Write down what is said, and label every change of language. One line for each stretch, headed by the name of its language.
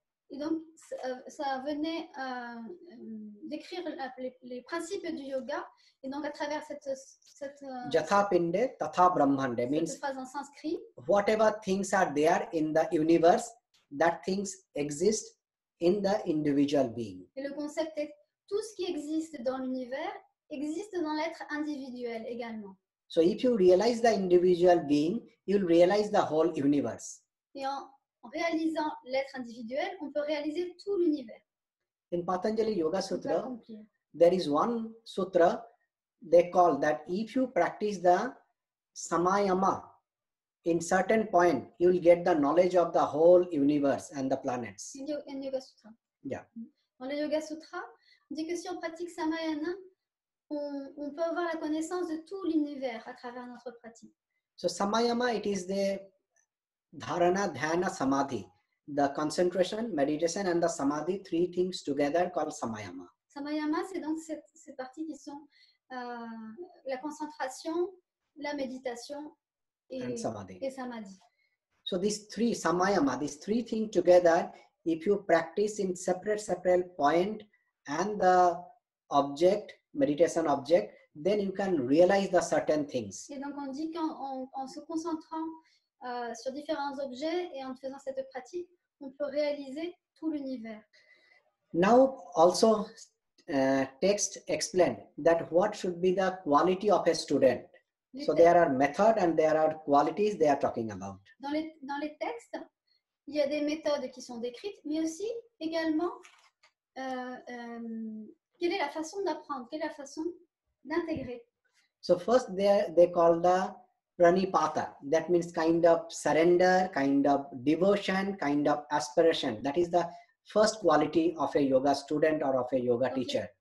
French: Et donc, ça venait décrire les principes du yoga. Et donc, à travers cette
Sanskrit: "Jatha pinde tatha brahmande"
English: means
French: phrase en sanskrit.
English: Whatever things are there in the universe, that things exist in the individual being.
French: Et le concept est tout ce qui existe dans l'univers existe dans l'être individuel également.
English: So if you realize the individual being, you'll realize the whole universe.
French: Et en réalisant l'être individuel, on peut réaliser tout l'univers.
English: In Patanjali Yoga Sutra, there is one sutra they call that if you practice the samayama in certain point, you'll get the knowledge of the whole universe and the planets. In Yoga Sutra. Yeah.
French: Dans le Yoga Sutra, on dit que si on pratique samayana, on peut avoir la connaissance de tout l'univers à travers notre pratique.
English: So samayama, it is the dharana, dhyana, samadhi. The concentration, meditation and the samadhi, three things together called samayama.
French: Samayama, c'est donc ces parties qui sont la concentration, la méditation et samadhi.
English: So these three, samayama, these three things together, if you practice in separate point and the object, meditation object, then you can realize the certain things.
French: Et donc on dit qu'en se concentrant sur différents objets et en faisant cette pratique, on peut réaliser tout l'univers.
English: Now also text explain that what should be the quality of a student. So there are method and there are qualities they are talking about.
French: Dans les textes, il y a des méthodes qui sont décrites, mais aussi également quelle est la façon d'apprendre? Quelle est la façon d'intégrer?
English: So first they call the pranipata. That means kind of surrender, kind of devotion, kind of aspiration. That is the first quality of a yoga student or of a yoga teacher.